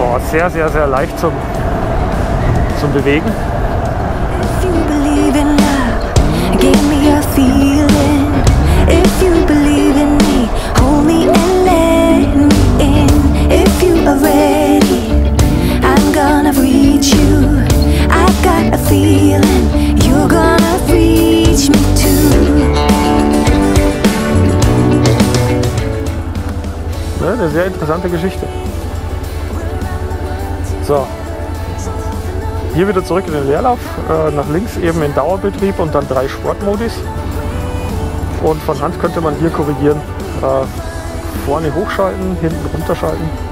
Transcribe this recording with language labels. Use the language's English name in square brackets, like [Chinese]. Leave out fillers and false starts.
[German] Sehr, sehr, sehr leicht zum Bewegen. [English] If you believe in love, give me a feeling. If you believe in me, hold me and let me in. If you are ready, I'm gonna reach you. I got a feeling, you're gonna reach me too. [German] Ja, eine sehr interessante Geschichte. So, hier wieder zurück in den Leerlauf, nach links eben in Dauerbetrieb und dann drei Sportmodis. Und von Hand könnte man hier korrigieren, vorne hochschalten, hinten runterschalten.